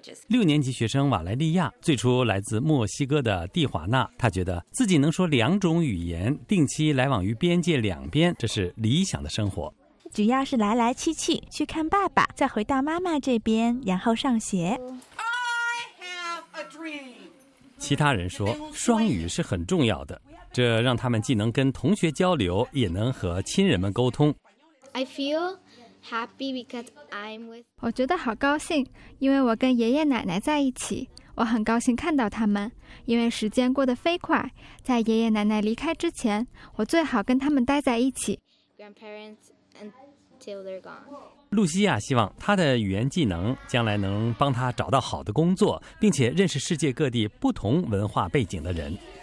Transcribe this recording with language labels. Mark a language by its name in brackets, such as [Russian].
[Chinese] 6年级学生瓦莱利亚最初来自墨西哥的蒂华纳，他觉得自己能说两种语言，定期来往于边界两边，这是理想的生活。只要是来来去去，去看爸爸，再回到妈妈这边，然后上学。其他人说，双语是很重要的，这让他们既能跟同学交流，也能和亲人们沟通。 [English] I feel happy because I'm with... [Chinese] 我觉得好高兴，因为我跟爷爷奶奶在一起，我很高兴看到他们，因为时间过得飞快，在爷爷奶奶离开之前，我最好跟他们待在一起。 [English] Grandparents... Until they're gone. [Chinese] 露西亚希望她的语言技能将来能帮她找到好的工作，并且认识世界各地不同文化背景的人。